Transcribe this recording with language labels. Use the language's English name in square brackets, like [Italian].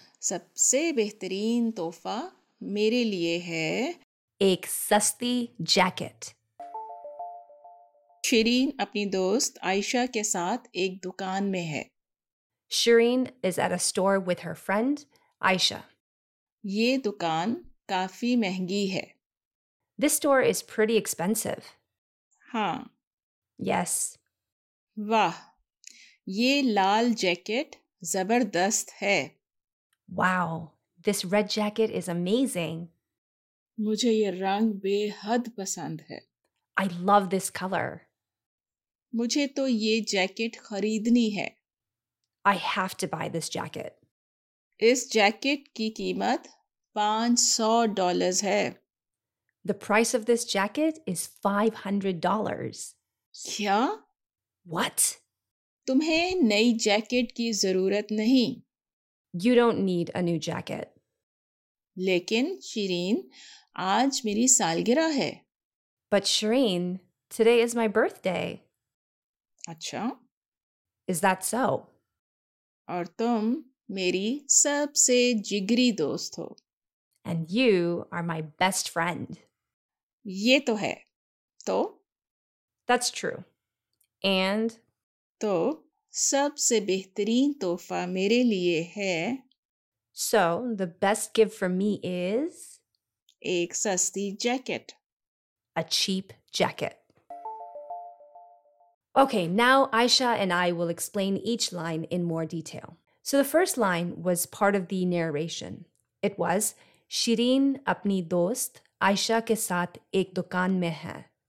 [Hindi] सबसे बेहतरीन तोहफा मेरे लिए है एक सस्ती जैकेट. शिरीन अपनी दोस्त आयशा के साथ एक दुकान में है. [English] Shireen is at a store with her friend, Aisha. [Hindi] Ye dukaan kaafi mehengi hai. [English] This store is pretty expensive. [Hindi] Haan. [English] Yes. [Hindi] Wah, ye laal jacket zabardast hai. [English] Wow, this red jacket is amazing. [Hindi] Mujhe ye rang behad pasand hai. [English] I love this color. [Hindi] Mujhe to ye jacket khareedni hai. [English] I have to buy this jacket. [Hindi] Is jacket ki keemat $500 hai. [English] The price of this jacket is $500. [Hindi] Kya? [English] What? [Hindi] Tumhe nayi jacket ki zarurat nahi. [English] You don't need a new jacket. [Hindi] Lekin Shireen, aaj meri salgirah hai. [English] But Shireen, today is my birthday. [Hindi] Acha? [English] Is that so? [Hindi] और तुम मेरी सबसे जिगरी दोस्त हो. [English] And you are my best friend. [Hindi] ये तो है. तो [English] That's true. And [Hindi] तो सबसे बेहतरीन तोहफा मेरे लिए है [English] So the best gift for me is [Hindi] एक सस्ती jacket [English] A cheap jacket. Okay, now Aisha and I will explain each line in more detail. So the first line was part of the narration. It was, [Hindi] Shirin apni dost Aisha ke saath ek dukaan mein hai.